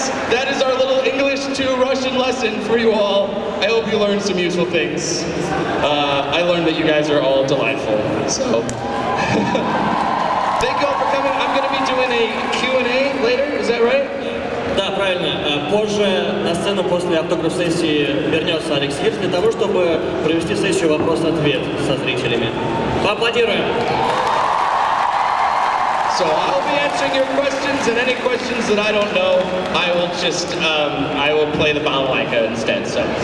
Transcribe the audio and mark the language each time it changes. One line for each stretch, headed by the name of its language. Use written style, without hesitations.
English: That is our little English to Russian lesson for you all. I hope you learned some useful things. I learned that you guys are all delightful. So, thank you all for coming. I'm going to be doing a Q&A later. Is that right?
Russian: Да, правильно. Позже на сцену после автограф-сессии вернется Алекс Хирс для того, чтобы провести сессию вопрос-ответ со зрителями. Поаплодируем.
English: So I'll be answering your questions, and any questions that I don't know, I will just, I will play the balalaika instead, so.